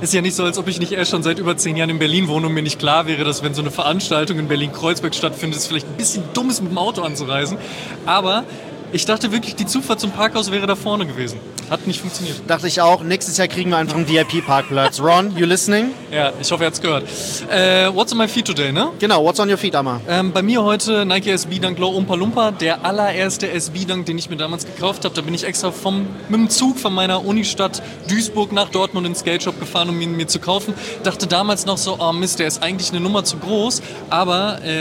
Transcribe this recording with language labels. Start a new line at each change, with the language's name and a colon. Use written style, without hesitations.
German: Ist ja nicht so, als ob ich nicht erst schon seit über 10 Jahren in Berlin wohne und mir nicht klar wäre, dass wenn so eine Veranstaltung in Berlin-Kreuzberg stattfindet, es vielleicht ein bisschen dumm ist, mit dem Auto anzureisen. Aber ich dachte wirklich, die Zufahrt zum Parkhaus wäre da vorne gewesen. Hat nicht funktioniert. Dachte ich auch. Nächstes Jahr kriegen wir einfach einen VIP-Parkplatz.
English: Ron, you listening?
German: Ja, ich hoffe, ihr habt es gehört.
English: What's on my feet today, ne? Genau, what's on your feet, Amma?
German: Bei mir heute Nike SB Dunk Low Oompa Loompa. Der allererste SB Dunk, den ich mir damals gekauft habe. Da bin ich extra mit dem Zug von meiner Unistadt Duisburg nach Dortmund ins Skate Shop gefahren, um ihn mir zu kaufen. Dachte damals noch so, oh Mist, der ist eigentlich eine Nummer zu groß. Aber...